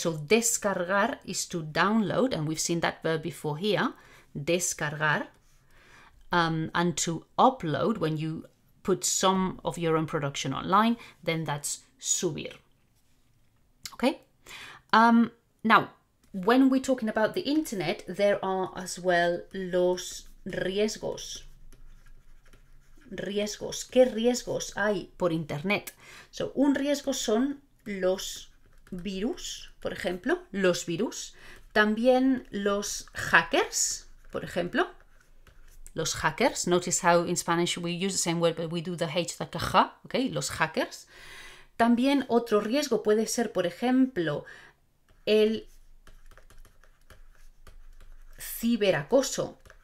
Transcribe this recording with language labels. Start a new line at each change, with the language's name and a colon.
English: So descargar is to download, and we've seen that verb before here, descargar, and to upload, when you put some of your own production online, then that's subir, okay? Now, when we're talking about the internet, there are as well
Spanish: los riesgos. Riesgos. ¿Qué riesgos hay por internet? So un riesgo son los virus, por ejemplo, los virus. También los hackers, por ejemplo, los hackers.
English: Notice how in Spanish we use the same word, but we do the H like a H, okay?
Spanish: Los hackers. También otro riesgo puede ser, por ejemplo, el ciberacoso.